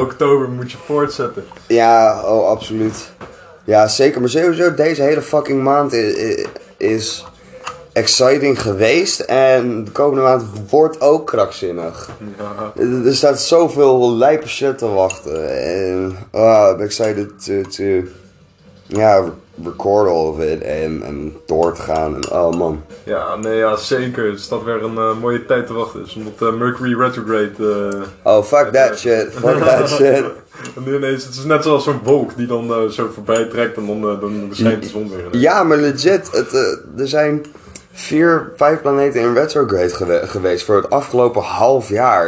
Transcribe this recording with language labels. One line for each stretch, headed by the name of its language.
Dutch: Oktober moet je voortzetten. Ja, oh, absoluut. Ja, zeker. Maar sowieso deze hele fucking maand is exciting geweest. En de komende maand wordt ook krakzinnig. Ja. Er staat zoveel lijpe shit te wachten.
English: En I'm excited to record all of it.
Dutch: En door te gaan. En oh man. Ja, nee, ja, zeker. Het staat weer een mooie tijd te wachten. Dus omdat Mercury retrograde...
English: Fuck that shit.
Dutch: En nu ineens, het is net zoals zo'n wolk die dan zo voorbij trekt. En dan schijnt de zon weer. Ja, maar legit. Er zijn 4-5 planeten in retrograde geweest voor het afgelopen half jaar.